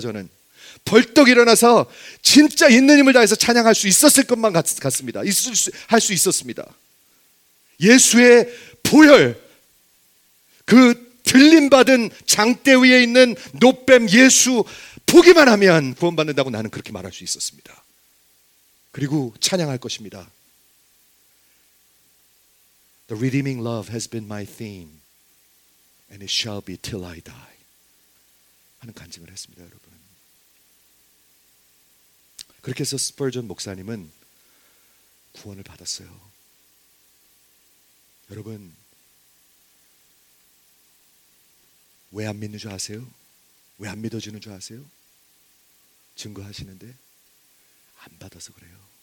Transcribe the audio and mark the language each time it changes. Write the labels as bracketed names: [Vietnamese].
[Korean] 저는 벌떡 일어나서 진짜 있는 힘을 다해서 찬양할 수 있었을 것만 같습니다. 할 수 있었습니다. 예수의 보혈, 그 들림받은 장대 위에 있는 노뱀 예수 보기만 하면 구원받는다고 나는 그렇게 말할 수 있었습니다. 그리고 찬양할 것입니다. [English] The redeeming love has been my theme and it shall be till I die [Korean] 하는 간증을 했습니다. 여러분 그렇게 해서 스펄전 목사님은 구원을 받았어요. 여러분, 왜 안 믿는 줄 아세요? 왜 안 믿어지는 줄 아세요? 증거하시는데 안 받아서 그래요.